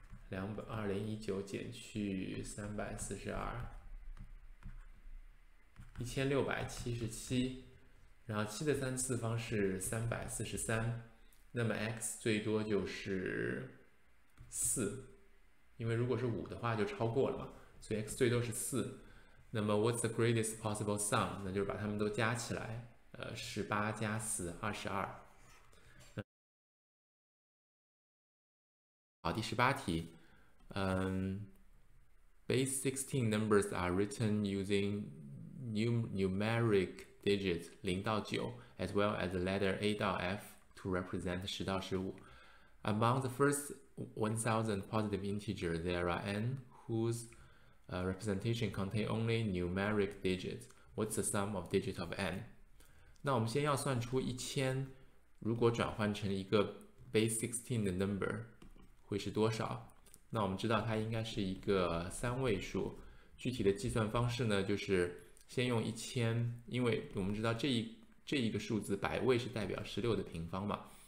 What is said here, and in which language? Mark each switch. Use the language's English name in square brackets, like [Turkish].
[Chinese] ，2019减去342，1677，然后7的3次方是343，那么 x 最多就是四，因为如果是五的话就超过了嘛，所以 x 最多是四。那么 [English] what's the greatest possible sum？ [Chinese] 那就是把它们都加起来，18+4=22。好，第十八题， [English] base 16 numbers are written using numeric digits 0到9 as well as the letter A 到 F to represent 10到15. Among the first 1000 positive integers, there are n whose representation contain only numeric digits. What's the sum of digit of n? [Chinese] 那我们先要算出1000，如果转换成一个 base 16的 number 会是多少？那我们知道它应该是一个3位数。具体的计算方式呢，就是先用1000，因为我们知道这一个数字百位是代表16的平方嘛。